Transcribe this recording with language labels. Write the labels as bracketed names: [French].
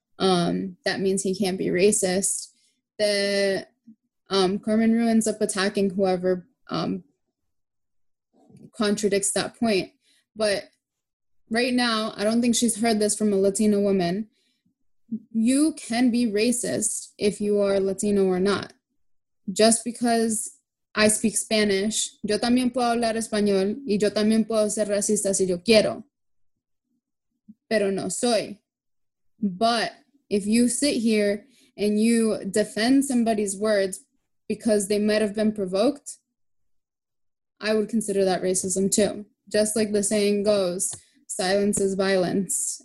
[English] that means he can't be racist. The Carmen Rue ends up attacking whoever contradicts that point. But right now, I don't think she's heard this from a Latina woman. You can be racist if you are Latino or not. Just because I speak Spanish, [Spanish] yo también puedo hablar español y yo también puedo ser racista si yo quiero. Pero no soy. [English] But if you sit here and you defend somebody's words because they might have been provoked, I would consider that racism too. Just like the saying goes, silence is violence.